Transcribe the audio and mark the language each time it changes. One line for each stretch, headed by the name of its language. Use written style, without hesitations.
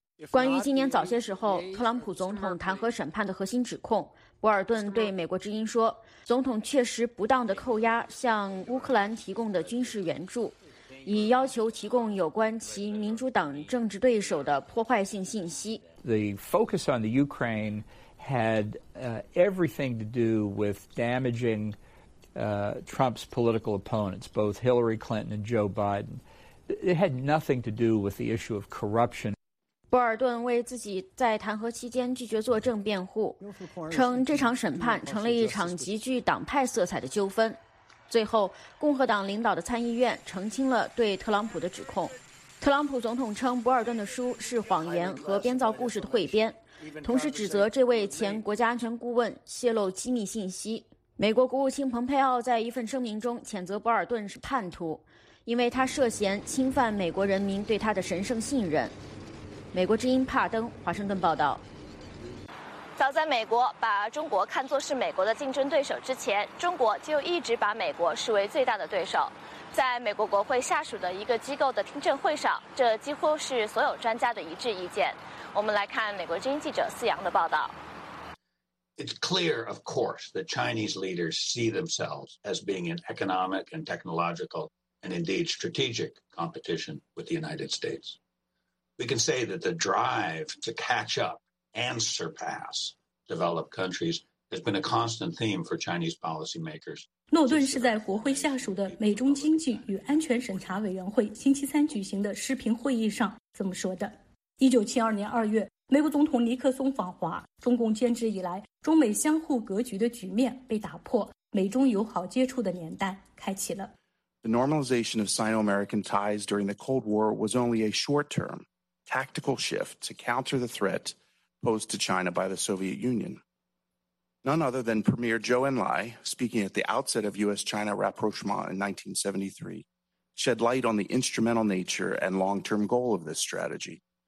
Chinese: 关于今年早些时候特朗普总统弹劾审判的核心指控，博尔顿对美国之音说，总统确实不当的扣押向乌克兰提供的军事援助，以要求提供有关其民主党政治对手的破坏性信息。
English: The focus on the Ukraine had everything to do with damaging Trump's political opponents, both Hillary Clinton and Joe Biden. It had nothing to do with the issue of corruption.
Chinese: 博尔顿为自己在弹劾期间拒绝作证辩护，称这场审判成了一场极具党派色彩的纠纷。最后，共和党领导的参议院澄清了对特朗普的指控。特朗普总统称博尔顿的书是谎言和编造故事的汇编，同时指责这位前国家安全顾问泄露机密信息。美国国务卿蓬佩奥在一份声明中谴责博尔顿是叛徒，因为他涉嫌侵犯美国人民对他的神圣信任。美国之音帕登，华盛顿报道。早在美国把中国看作是美国的竞争对手之前，中国就一直把美国视为最大的对手。在美国国会下属的一个机构的听证会上，这几乎是所有专家的一致意见。我们来看美国之音记者思阳的报道。
English: It's clear, of course, that Chinese leaders see themselves as being in economic and technological and indeed strategic competition with the United States. We can say that the drive to catch up and surpass developed countries has been a constant theme for Chinese policymakers.
Chinese: 诺顿是在国会下属的美中经济与安全审查委员会星期三举行的视频会议上这么说的。 1972年2月，美国总统尼克松访华，中共建制以来，中美相互格局的局面被打破，美中友好接触的年代开启了。
English: The normalization of Sino-American ties during the Cold War was only a short-term tactical shift to counter the threat posed to China by the Soviet Union. None other than Premier Zhou Enlai, speaking at the outset of U.S.-China rapprochement in 1973, shed light on the instrumental nature and long-term goal of this strategy.